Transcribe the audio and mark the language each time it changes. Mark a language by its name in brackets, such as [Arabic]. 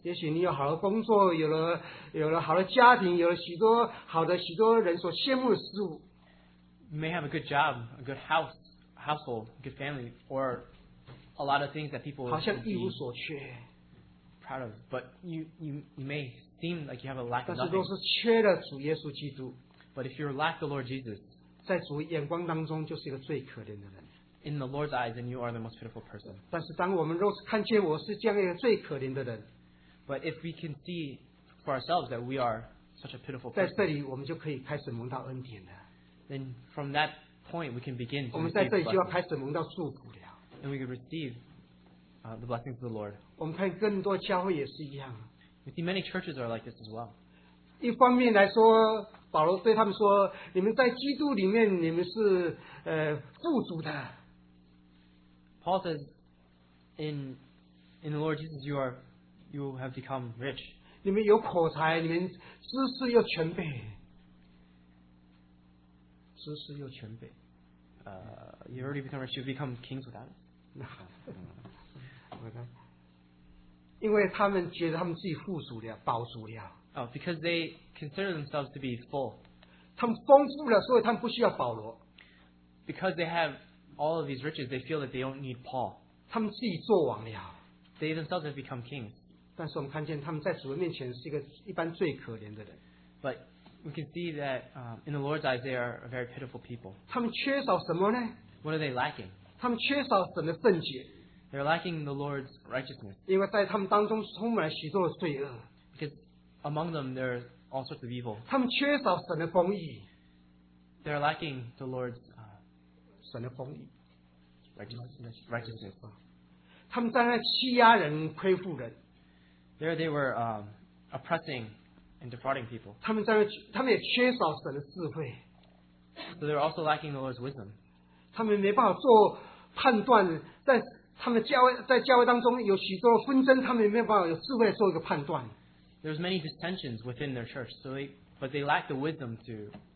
[English] You may have a good job, a good house, household, a good family, or a lot of things that people would be proud of. proud of, but you may seem like you have a lack of nothing. [Chinese] 但是都是缺了主耶稣基督, [English] but if you're lack the Lord Jesus, [Chinese] 在主眼光当中就是一个最可怜的人。 [English] In the Lord's eyes, then you are the most pitiful person. [Chinese] 但是当我们若是看见我是这样一个最可怜的人, [English] but if we can see for ourselves that we are such a pitiful person, [Chinese] 在这里我们就可以开始蒙到恩典了。 [English] Then from that point, we can begin to [Chinese] 我们在这里就要开始蒙到祝福了。 [English] And we can receive the blessings of the Lord. [Chinese] 我们看更多教会也是一样。 [English] We see many churches are like this as well. [Chinese] 一方面来说, 保罗对他们说, 你们在基督里面, 你们是, 富足的。 [English] Paul says, in the Lord Jesus, you have become rich. [Chinese] 你们有口才, 你们知识又全备。知识又全备。 [English] You've already become rich, you've become kings without us. [Chinese] 因为他们觉得他们自己富足了，饱足了。 [English] Oh, because they consider themselves to be full. [Chinese] 他们丰富了，所以他们不需要保罗。 [English] Because they have all of these riches, they feel that they don't need Paul. [Chinese] 他们自己做王了。 [English] They themselves have become kings. [Chinese] 但是我们看见他们在主人面前是一个一般最可怜的人。 [English] But we can see that in the Lord's eyes, they are a very pitiful people. [Chinese] 他们缺少什么呢？ [English] What are they lacking? [Chinese] 他们缺少什么圣洁？ [English] They're lacking the Lord's righteousness. [Chinese] 因为在他们当中充满了许多的罪恶。 [English] Among them, there are all sorts of evil. [Chinese] 他们缺少神的公义。 [English] They're lacking the Lord's [Chinese] 神的公义。 [English] righteousness. [Chinese] 他们在那欺压人、亏负人。 [English] There they were oppressing and defrauding people. [Chinese] 他们也缺少神的智慧。 [English] So they're also lacking the Lord's wisdom. [Chinese] 他们没办法做判断, 在教会当中有许多纷争, 他们也没办法有智慧做一个判断。 [English] There's many dissensions within their church, so but they lack the wisdom to.